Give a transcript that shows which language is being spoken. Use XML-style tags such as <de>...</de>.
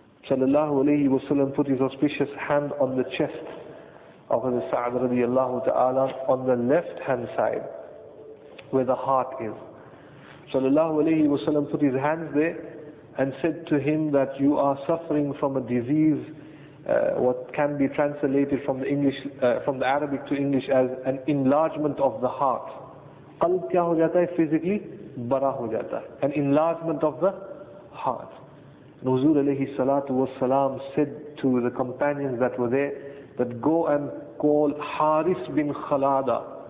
<en>Sallallahu alayhi wa sallam put his auspicious hand on the chest of Hazrat Sa'ad radiallahu ta'ala on the left hand side where the heart is. Sallallahu alayhi wa sallam put his hands there and said to him that you are suffering from a disease, what can be translated from the English, from the Arabic to English, as an enlargement of the heart.</en> <ur>قلب کیا ہو جاتا ہے؟ Physically بڑا ہو جاتا ہے۔</ur> <en>An enlargement of the heart. And Huzur alayhi salatu wa sallam said to the companions that were there that go and call Haris bin Khalada.</en>